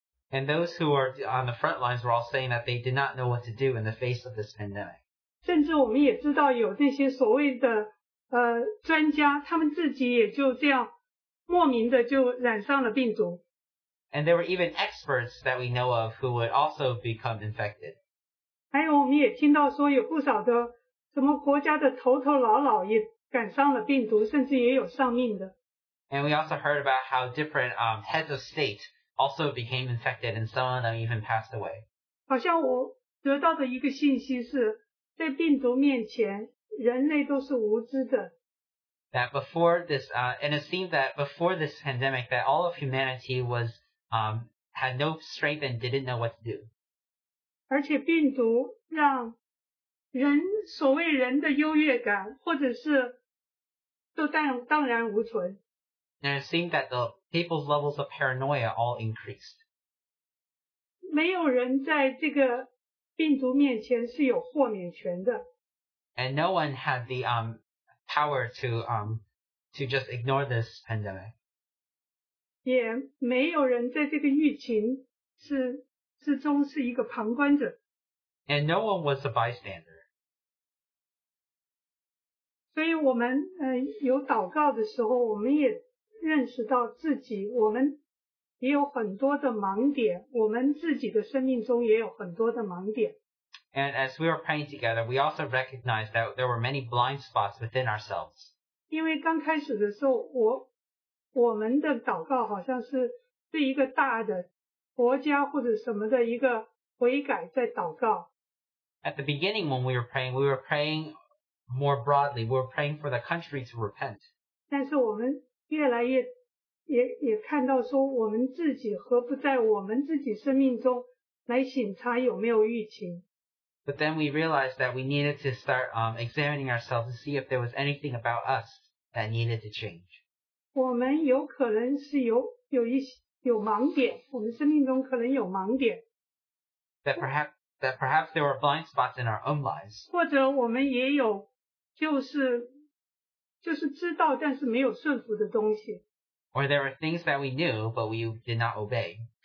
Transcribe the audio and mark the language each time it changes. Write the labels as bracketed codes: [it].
[en] And those who are on the front lines were all saying that they did not know what to do in the face of this pandemic. [zh] 甚至我们也知道有那些所谓的专家他们自己也就这样莫名的就染上了病毒。 [en] And there were even experts that we know of who would also become infected. [zh] 还有我们也听到说有不少的什么国家的头头老老也染上了病毒甚至也有丧命的。 [en] And we also heard about how different heads of state also became infected and some of them even passed away. [zh] 好像我得到的一个信息是在病毒面前人类都是无知的。 [en] That before this, and it seemed that before this pandemic that all of humanity was, had no strength and didn't know what to do. [zh] 而且病毒让人所谓人的优越感或者是都荡然无存。 [en] And it seemed that the people's levels of paranoia all increased. [zh] 没有人在这个病毒面前是有豁免权的。 [en] And no one had the power to just ignore this pandemic. [zh] 也没有人在这个疫情是之中是一个旁观者。 [en] And no one was a bystander. [zh] 所以我们有祷告的时候，我们也认识到自己，我们也有很多的盲点，我们自己的生命中也有很多的盲点。 [en] And as we were praying together, we also recognized that there were many blind spots within ourselves. [zh] 因为刚开始的时候，我们的祷告好像是对一个大的国家或者什么的一个悔改在祷告。 [en] At the beginning, when we were praying more broadly. We were praying for the country to repent. [zh] 但是我们越来越也看到说我们自己何不在我们自己生命中来审查有没有疫情。 [en] But then we realized that we needed to start examining ourselves to see if there was anything about us that needed to change. [zh] 我们有可能是有盲点，我们生命中可能有盲点。 [en] That perhaps there were blind spots in our own lives. [zh] 或者我们也有就是知道但是没有顺服的东西。 [en] Or there are things that we knew, but we did not obey.